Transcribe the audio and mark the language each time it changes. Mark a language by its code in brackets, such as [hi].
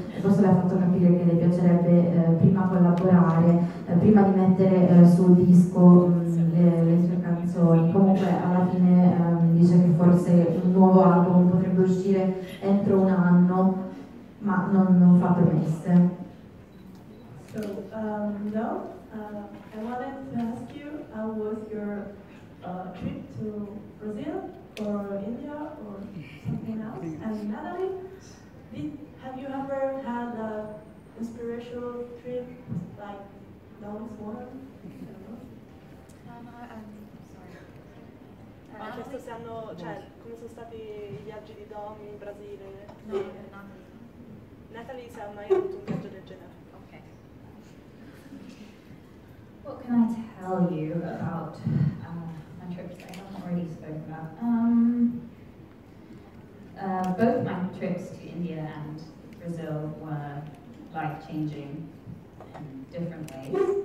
[it] E forse le ha fatto capire che le piacerebbe prima collaborare, prima di mettere sul disco le sue canzoni. Comunque alla fine dice che forse un nuovo album potrebbe uscire entro un anno, ma non fa promesse. [en] So, I wanted to ask you, how was your trip to Brazil, or India, or something else? And Natalie, have you ever had an inspirational trip, like the longest one? I don't know. I'm sorry. [it] Ma questo stanno, cioè, come sono stati I viaggi di Dom in Brasile? No, Natalie. Natalie, se ha mai avuto un viaggio del genere? [en] What can I tell you about my trips that I haven't already spoken about? Both my trips to India and Brazil were life-changing in different ways.